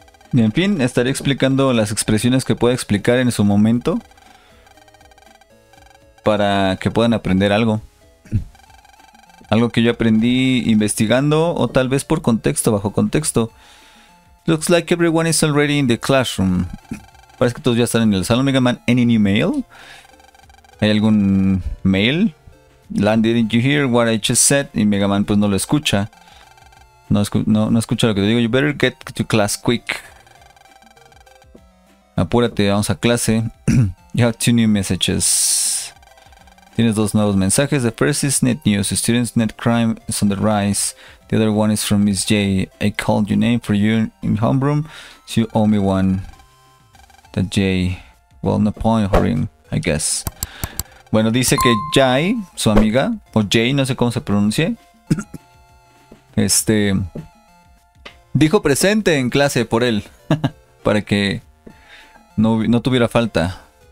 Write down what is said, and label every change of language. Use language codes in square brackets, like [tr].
[es] Y en fin, estaré explicando las expresiones que pueda explicar en su momento para que puedan aprender algo. Algo que yo aprendí investigando o tal vez por contexto, bajo contexto. [en] Looks like everyone is already in the classroom. [es] Parece que todos ya están en el salón. [en] Mega Man, any new mail? [es] ¿Hay algún mail? [en] Land, didn't you hear what I just said? [es] Y Mega Man pues no lo escucha. No escucha lo que te digo. [en] You better get to class quick. [es] Apúrate, vamos a clase. [en] You have two new messages. [es] Tienes dos nuevos mensajes. [en] The first is net news. Students' net crime is on the rise. The other one is from Miss J. I called your name for you in homeroom, so you owe me one. The J. Well, no point hurrying, I guess. [es] Bueno, dice que Jay, su amiga, o Jay, no sé cómo se pronuncie. Dijo presente en clase por él. Para que no tuviera falta.